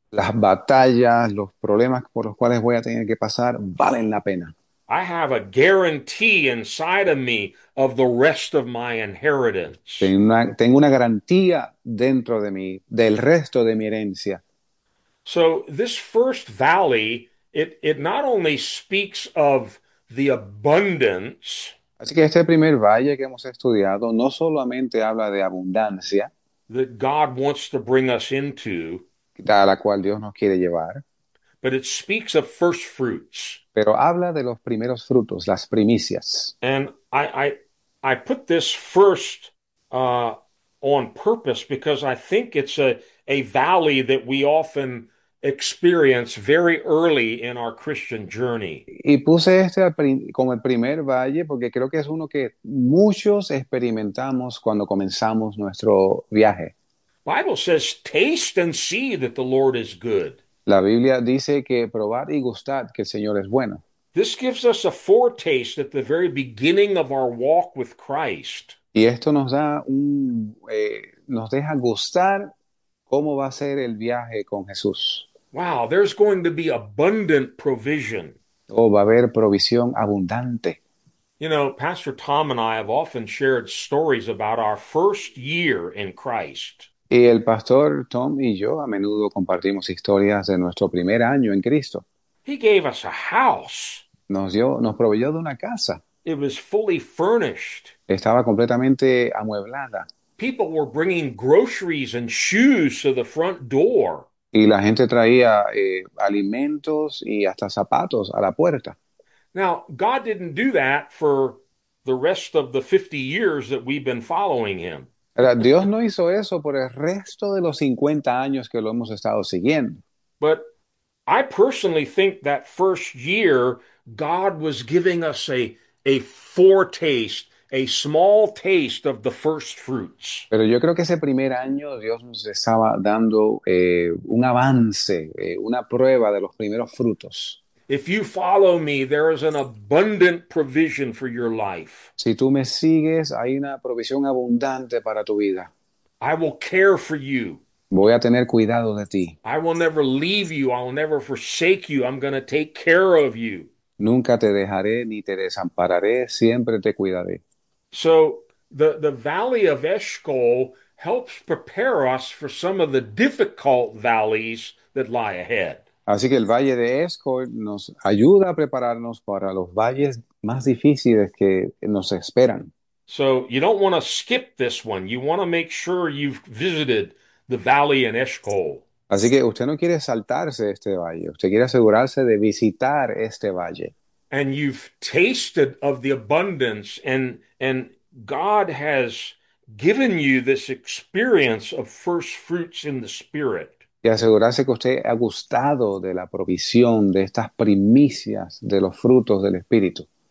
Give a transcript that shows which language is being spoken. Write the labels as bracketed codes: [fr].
[es] Las batallas, los problemas por los cuales voy a tener que pasar, valen la pena. [en] I have a guarantee inside of me of the rest of my inheritance. [es] Tengo una garantía dentro de mí, del resto de mi herencia. [en] So this first valley, it not only speaks of the abundance, [es] Así que este primer valle que hemos estudiado no solamente habla de abundancia, [en] that God wants to bring us into, [es] a la cual Dios nos quiere llevar, [en] but it speaks of first fruits. [es] pero habla de los primeros frutos, las primicias. [en] And I put this first on purpose because I think it's a valley that we often experience very early in our Christian journey. [es] Y puse este como el primer valle porque creo que es uno que muchos experimentamos cuando comenzamos nuestro viaje. [en] Bible says, taste and see that the Lord is good. [es] La Biblia dice que probar y gustar que el Señor es bueno. [en] This gives us a foretaste at the very beginning of our walk with Christ. [es] Y esto nos da nos deja gustar cómo va a ser el viaje con Jesús. [en] Wow, there's going to be abundant provision. [es] Va a haber provisión abundante. [en] You know, Pastor Tom and I have often shared stories about our first year in Christ. [es] Y el pastor Tom y yo a menudo compartimos historias de nuestro primer año en Cristo. [en] He gave us a house. [es] Nos proveyó de una casa. [en] It was fully furnished. [es] Estaba completamente amueblada. [en] People were bringing groceries and shoes to the front door. [es] Y la gente traía alimentos y hasta zapatos a la puerta. [en] Now, God didn't do that for the rest of the 50 years that we've been following him. [es] Dios no hizo eso por el resto de los 50 años que lo hemos estado siguiendo. [en] But I personally think that first year, God was giving us a foretaste, a small taste of the first fruits. [es] Pero yo creo que ese primer año Dios nos estaba dando un avance, una prueba de los primeros frutos. [en] If you follow me, there is an abundant provision for your life. [es] Si tú me sigues, hay una provisión abundante para tu vida. [en] I will care for you. [es] Voy a tener cuidado de ti. [en] I will never leave you. I will never forsake you. I'm going to take care of you. [es] Nunca te dejaré ni te desampararé, siempre te cuidaré. [en] So the Valley of Eshcol helps prepare us for some of the difficult valleys that lie ahead. [es] Así que el Valle de Escor nos ayuda a prepararnos para los valles más difíciles que nos esperan. [en] So you don't want to skip this one. You want to make sure you've visited the valley in Eshcol. [es] Así que usted no quiere saltarse este valle, usted quiere asegurarse de visitar este valle. [en] And you've tasted of the abundance, and God has given you this experience of first fruits in the Spirit. [es] Y asegurarse que usted ha gustado de la provisión de estas primicias de los frutos del Espíritu.